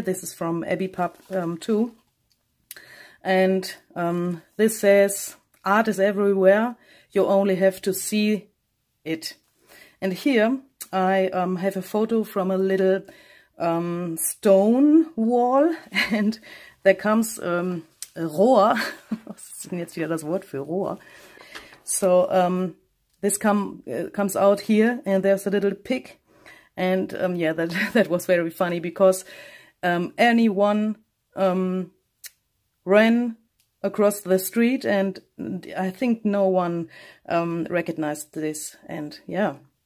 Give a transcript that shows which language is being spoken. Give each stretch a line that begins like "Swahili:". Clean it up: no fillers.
English: This is from Abbey Pub too. And this says, art is everywhere. You only have to see it. And here I have a photo from a little stone wall, and there comes Rohr.
German: Was ist denn jetzt wieder das Wort für Rohr?
English: So this comes out here, and there's a little pig, and yeah, that was very funny because anyone ran across the street, and I think no one recognized this. And yeah.